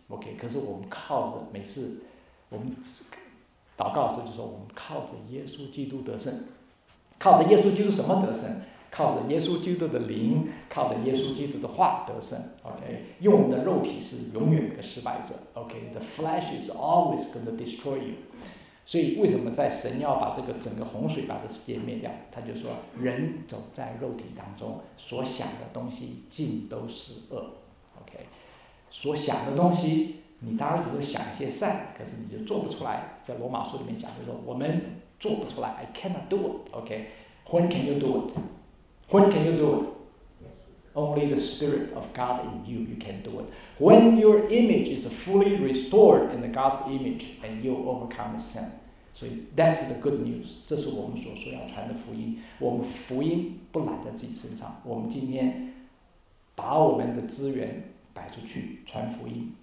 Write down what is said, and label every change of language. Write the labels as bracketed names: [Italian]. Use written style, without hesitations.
[Chinese] OK， 可是我们靠着每次我们祷告的时候，就说我们靠着耶稣基督得胜。靠着耶稣基督什么得胜？靠着耶稣基督的灵，靠着耶稣基督的话得胜。 OK， 用我们的肉体是永远的失败者。 [English] OK， the flesh is always going to destroy you。 [Chinese] 所以为什么在神要把这个整个洪水把这世界灭掉，他就说人走在肉体当中所想的东西尽都是恶。 OK， 所想的东西你当然有想一些善，可是你就做不出来。在罗马书里面讲，就是说我们做不出来， [English] I cannot do it。 OK， When can you do it? When can you do it? Only the spirit of God in you, you can do it. When your image is fully restored in God's image and you overcome the sin. So that's the good news. [Chinese] 这是我们所说要传的福音。我们福音不揽在自己身上，我们今天把我们的资源摆出去传福音。